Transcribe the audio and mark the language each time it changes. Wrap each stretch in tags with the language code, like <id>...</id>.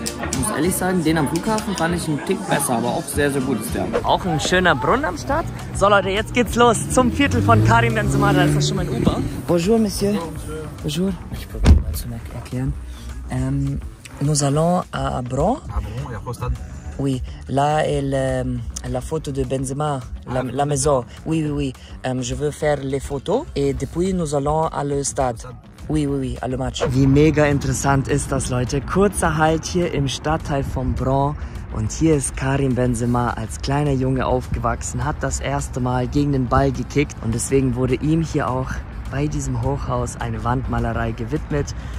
<de>Ich muss ehrlich sagen, den am Flughafen fand ich einen Tick besser, aber auch sehr, sehr gut ist der. Auch ein schöner Brunnen am Start. So Leute, jetzt geht's los zum Viertel von Karim Benzema. Da ist das schon mein Uber.</de> <fr>Bonjour, Monsieur. Bonjour.</fr> <de>Ich probiere mal zu erklären.</de> <fr>Nous allons à Bron. À Bron, ja, Prostad. Oui, là est le, la photo de Benzema, la maison. Oui, oui, oui. Je veux faire les photos et depuis nous allons à le stade. Oui, oui, oui, à le match.</fr> <de>Wie mega interessant ist das, Leute. Kurzer Halt hier im Stadtteil von Bron. Und hier ist Karim Benzema als kleiner Junge aufgewachsen, hat das erste Mal gegen den Ball gekickt. Und deswegen wurde ihm hier auch bei diesem Hochhaus eine Wandmalerei gewidmet.</de>